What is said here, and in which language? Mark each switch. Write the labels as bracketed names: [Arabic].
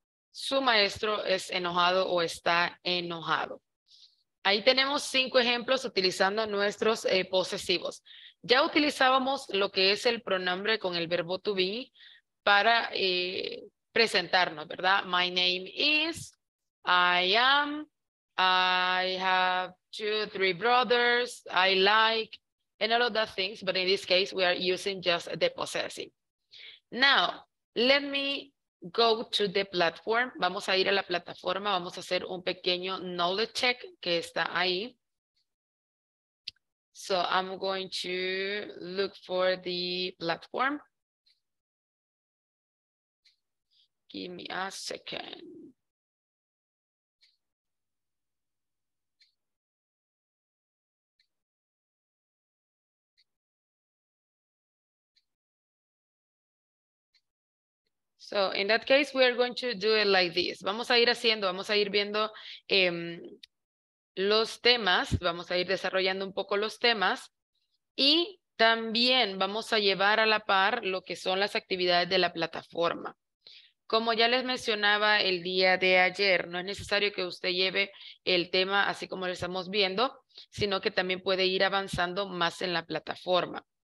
[Spanish] Su maestro es enojado o está enojado. Ahí tenemos 5 ejemplos utilizando nuestros posesivos. Ya utilizábamos lo que es el pronombre con el verbo to be para presentarnos, ¿verdad? [English] My name is, I am, I have 2-3 brothers, I like, and all of that things, but in this case, we are using just the possessive. Now, let me go to the platform. [Spanish] Vamos a ir a la plataforma. Vamos a hacer un pequeño knowledge check que está ahí. [English] So I'm going to look for the platform. Give me a second. So in that case, we are going to do it like this. [Spanish] Vamos a ir haciendo, vamos a ir viendo los temas, vamos a ir desarrollando un poco los temas y también vamos a llevar a la par lo que son las actividades de la plataforma. Como ya les mencionaba el día de ayer, no es necesario que usted lleve el tema así como lo estamos viendo, sino que también puede ir avanzando más en la plataforma.